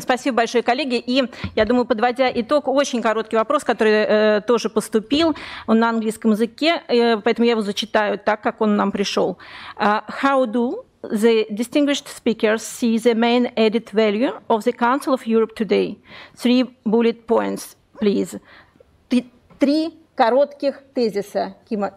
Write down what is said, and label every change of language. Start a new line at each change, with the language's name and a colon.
Russian: Спасибо большое, коллеги. И я думаю, подводя итог, очень короткий вопрос, который тоже поступил. Он на английском языке, поэтому я его зачитаю так, как он нам пришел.
English: How do the distinguished speakers see the main added value of the Council of Europe today? Three bullet points, please.
Russian: Три коротких тезиса, Кима.